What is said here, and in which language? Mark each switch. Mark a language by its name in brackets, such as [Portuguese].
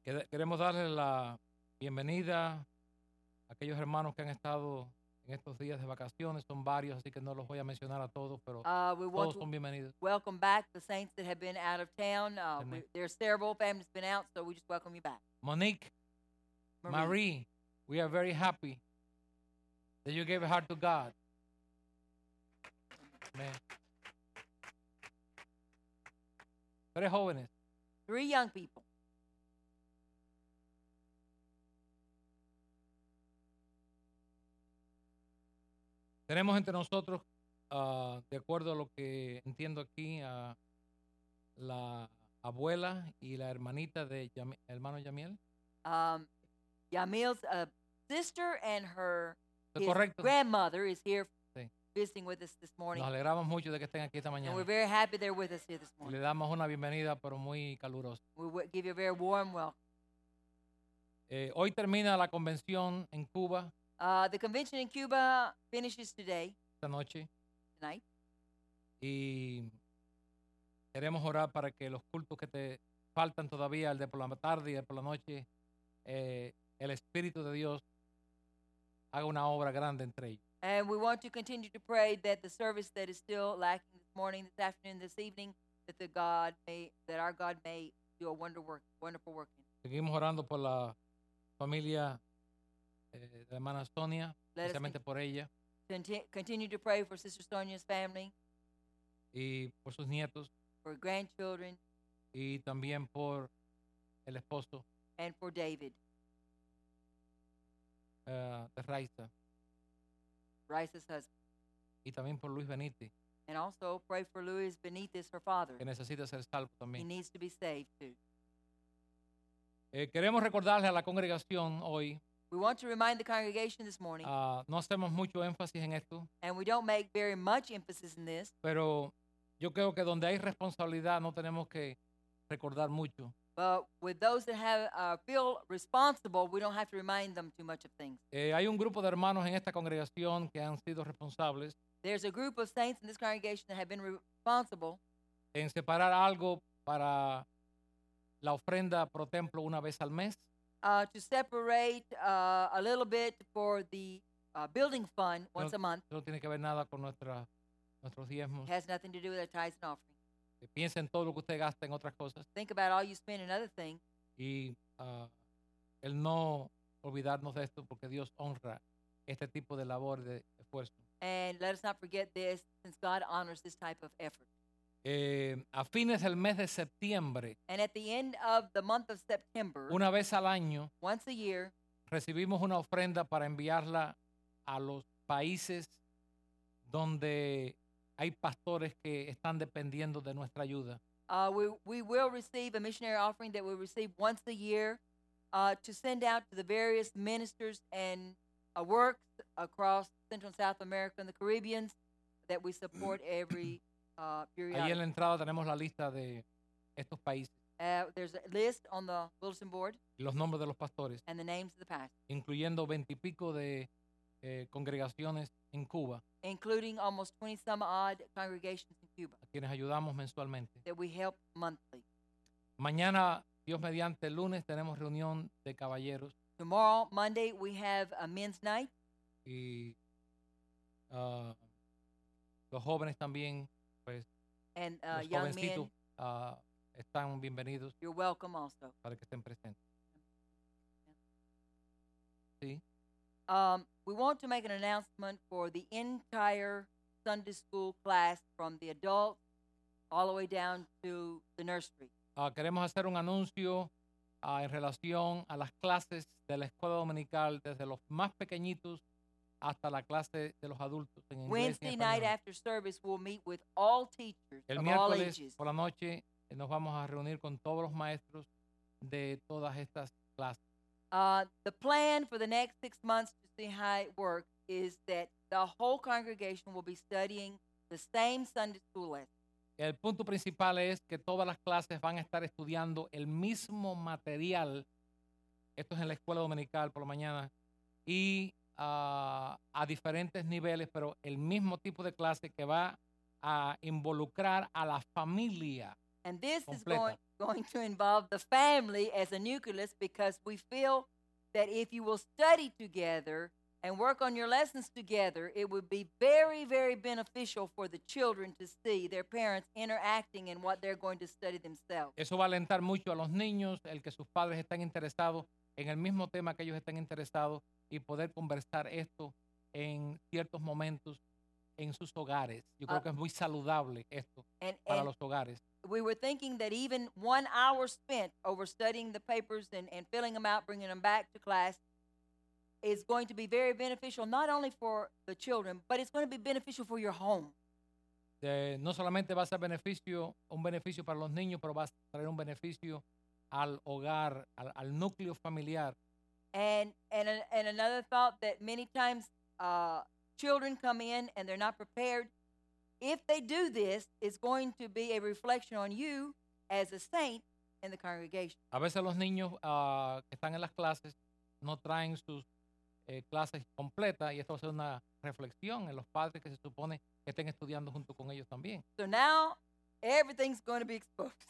[Spanish] Queremos darle la bienvenida a aquellos hermanos que han estado en estos días de vacaciones. Son varios, así que no los voy a mencionar a todos, pero todos son bienvenidos. [English] Welcome back the saints that have been out of town. There are several families been out, so we just welcome you back. Monique, Marie, we are very happy that you gave a heart to God. Amen. [Spanish] Tres jóvenes. [English] Three young people. [Spanish] Tenemos entre nosotros, de acuerdo a lo que entiendo aquí, a la abuela y la hermanita de hermano Yamiel. [English] Yamiel's sister and her grandmother is here visiting with us this morning. [Spanish] Nos alegramos mucho de que estén aquí esta mañana. [English] And we're very happy they're with us here this morning. [Spanish] Le damos una bienvenida, pero muy calurosa. [English] We give you a very warm welcome. [Spanish] Hoy termina la convención en Cuba. [English] The convention in Cuba finishes today. [Spanish] Esta noche. [English] Tonight. [Spanish] Y queremos orar para que los cultos que te faltan todavía, el de por la tarde y el por la noche, el Espíritu de Dios haga una obra grande entre ellos. [English] And we want to continue to pray that the service that is still lacking this morning, this afternoon, this evening, that the God may, that our God may do a wonderful work. [Spanish] Seguimos orando por la familia de la hermana Sonia, especialmente por ella. [English] Continue to pray for Sister Sonia's family. [Spanish] Y por sus nietos. [English] For grandchildren. [Spanish] Y también por el esposo. [English] And for David. [Spanish] De Raisa. [English] Raisa's husband. [Spanish] Y también por Luis Benítez. [English] And also pray for Luis Benítez, her father. [Spanish] Que necesita ser salvo también. [English] He needs to be saved too. [Spanish] Queremos recordarle a la congregación hoy. [English] We want to remind the congregation this morning. [Spanish] No hacemos mucho énfasis en esto. [English] And we don't make very much emphasis in this. [Spanish] Pero yo creo que donde hay responsabilidad no tenemos que recordar mucho. [English] But with those that have feel responsible, we don't have to remind them too much of things. [Spanish] Hay un grupo de hermanos en esta congregación que han sido responsables. [English] There's a group of saints in this congregation that have been responsible. [Spanish] En separar algo para la ofrenda pro templo una vez al mes. [English] To separate a little bit for the building fund once a month. [Spanish] No tiene que ver nada con nuestros diezmos. [English] It has nothing to do with our tithes and offerings. [Spanish] Piensa en todo lo que usted gasta en otras cosas. [English] Think about all you spend in other things. [Spanish] Y el no olvidarnos de esto porque Dios honra este tipo de labor de esfuerzo. [English] And let us not forget this since God honors this type of effort. [Spanish] A fines del mes de septiembre, [English] and at the end of the month of September, [Spanish] una vez al año, [English] once a year, [Spanish] recibimos una ofrenda para enviarla a los países donde hay pastores que están dependiendo de nuestra ayuda. [English] We will receive a missionary offering that we receive once a year to send out to the various ministers and works across Central and South America and the Caribbean that we support every [Spanish] ahí en la entrada tenemos la lista de estos países. [English] There's a list on the bulletin board. [Spanish] Los nombres de los pastores. [English] And the names of the pastors. [Spanish] Incluyendo 20 y pico de congregaciones en Cuba. [English] Including almost 20 some odd congregations in Cuba. [Spanish] A quienes ayudamos mensualmente. [English] That we help monthly. [Spanish] Mañana, Dios mediante, el lunes tenemos reunión de caballeros. [English] Tomorrow, Monday, we have a men's night. [Spanish] Y los jóvenes también. [English] And [Spanish] los [English] young men, [Spanish] están bienvenidos. [English] You're welcome also. [Spanish] Para que estén presentes. Sí. [English] We want to make an announcement for the entire Sunday school class from the adult all the way down to the nursery. [Spanish] Queremos hacer un anuncio en relación a las clases de la escuela dominical desde los más pequeñitos hasta la clase de los adultos en inglés. [English] Wednesday night after service we'll meet with all teachers [Spanish] el [English] of all ages. [Spanish] El miércoles por la noche nos vamos a reunir con todos los maestros de todas estas clases. [English] The plan for the next 6 months to see how it works is that the whole congregation will be studying the same Sunday school lesson. [Spanish] El punto principal es que todas las clases van a estar estudiando el mismo material. Esto es en la escuela dominical por la mañana y a diferentes niveles, pero el mismo tipo de clase que va a involucrar a la familia completa. [English] going to involve the family as a nucleus, because we feel that if you will study together and work on your lessons together, it would be very, very beneficial for the children to see their parents interacting in what they're going to study themselves. [Spanish] Eso va a alentar mucho a los niños, el que sus padres están interesados en el mismo tema que ellos están interesados, y poder conversar esto en ciertos momentos en sus hogares. Yo creo que es muy saludable esto para los hogares. [English] We were thinking that even 1 hour spent over studying the papers and filling them out, bringing them back to class, is going to be very beneficial, not only for the children, but it's going to be beneficial for your home. [Spanish] No solamente va a ser un beneficio para los niños, pero va a traer un beneficio al hogar, al núcleo familiar. [English] And another thought that many times children come in and they're not prepared. If they do this, it's going to be a reflection on you as a saint in the congregation. [Spanish] A veces los niños que están en las clases no traen sus clases completas, y esto va a ser una reflexión en los padres que se supone que estén estudiando junto con ellos también. [English] So now everything's going to be exposed.